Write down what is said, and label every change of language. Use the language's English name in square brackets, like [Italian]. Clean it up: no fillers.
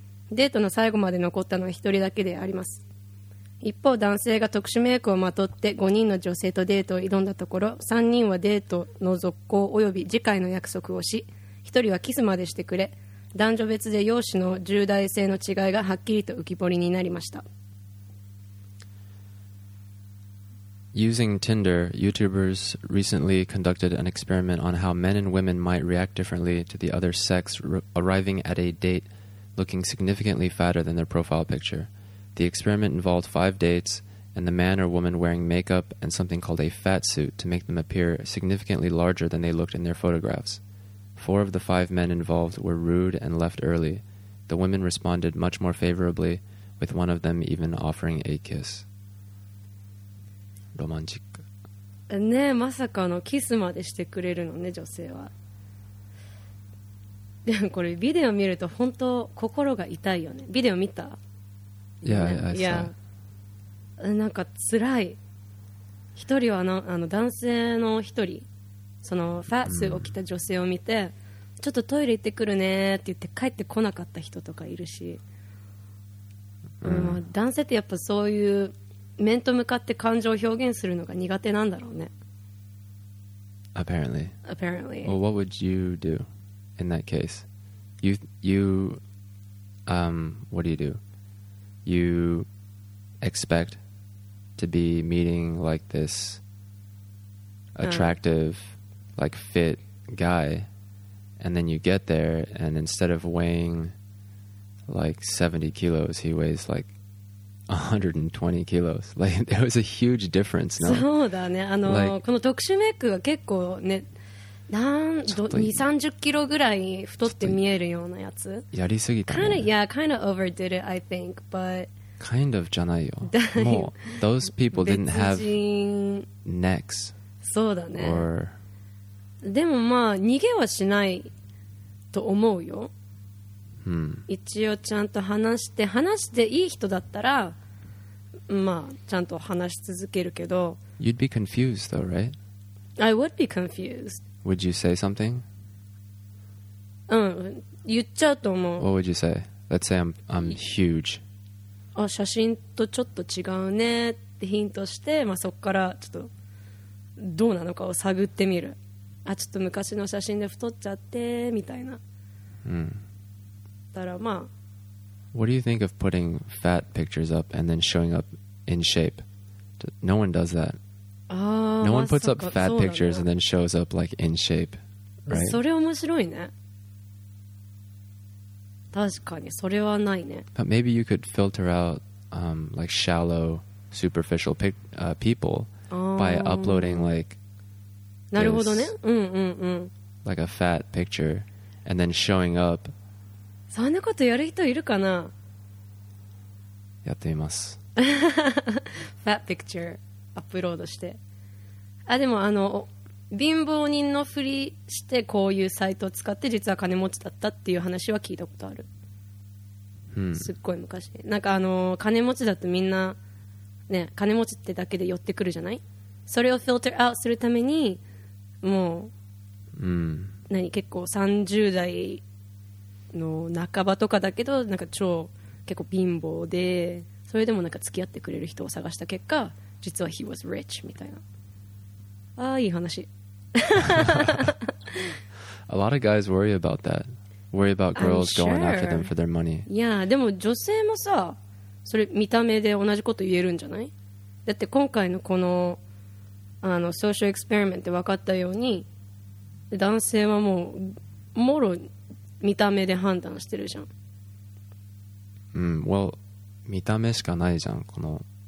[Japanese] デートの最後まで残ったのは1人だけであります。一方、男性が特殊メイクをまとって5人の女性とデートを挑んだところ、3人はデートの続行および次回の約束をし、1人はキスまでしてくれ、男女別で容姿の重大性の違いがはっきりと浮き彫りになりました。 [English] Using Tinder, YouTubers recently conducted an experiment on how men and women might react differently to the other sex arriving at a dateLooking significantly fatter than their profile picture. The experiment involved 5 dates, and the man or woman wearing makeup and something called a fat suit to make them appear significantly larger than they looked in their photographs. 4 of the 5 men involved were rude and left early. The women responded much more favorably, with one of them even offering a kiss. [Japanese] ロマンチック。ねえ、まさかのキスまでしてくれるのね、女性は。でもこれビデオ見ると本当心が痛いよね。ビデオ見た？いや、なんか辛い。一人はあの男性の一人、そのファッスを着た女性を見て、ちょっとトイレ行ってくるねって言って帰ってこなかった人とかいるし、男性ってやっぱそういう面と向かって感情を表現するのが苦手なんだろうね。 [English] Apparently. Well, what would you do? In that case, what do? You expect to be meeting like this attractive, like fit guy, and then you get there, and instead of weighing like 70 kilos, he weighs like 120 kilos. Like, there was a huge difference, no? [Japanese] そうだね。この特殊メイクが結構ね、20-30 kilos ぐらい太って見えるようなやつ。やりすぎたね。 [English] Kind of overdid it, I think, but... Kind of [Japanese] じゃないよ。もう、 [English] those people didn't have necks. [Japanese] そうだね。 [English] Or... [Japanese] でもまあ、逃げはしないと思うよ。一応ちゃんと話していい人だったら、まあ、ちゃんと話し続けるけど。 [English] You'd be confused though, right? I would be confused. Would you say something? [Japanese] 言っちゃうと思う。 [English] What would you say? Let's say I'm huge. [Japanese] 写真とちょっと違うねってヒントして、まあ、そこからちょっとどうなのかを探ってみる。あ、ちょっと昔の写真で太っちゃってみたいな。だからまあ、 [English] What do you think of putting fat pictures up and then showing up in shape? No one does that. No one puts up fat pictures and then shows up like in shape, right? [Japanese] それ面白いね。確かにそれはないね。 [English] But maybe you could filter out like shallow, superficial people by uploading like [Japanese] なるほどね。 [English] Like a fat picture and then showing up. [Japanese] そんなことやる人いるかな？やってみます。 [English] Fat picture [Japanese] アップロードして。あ、でもあの貧乏人のふりしてこういうサイトを使って実は金持ちだったっていう話は聞いたことある。すっごい昔、なんかあの金持ちだとみんなね、金持ちってだけで寄ってくるじゃない。それをフィルターアウトするためにもう、何、結構30代の半ばとかだけど、なんか超結構貧乏で、それでもなんか付き合ってくれる人を探した結果、実は [English] he was rich [Japanese] みたいな。ああ、いい話。 [English] A lot of guys worry about that. Worry about girls going after them for their money. [Japanese] いや、でも女性もさ、それ見た目で同じこと言えるんじゃない？だって今回のこのソーシャルエクスペリメントで分かったように、男性はもうもろ見た目で判断してるじゃん。うん、well、見た目しかないじゃんこの、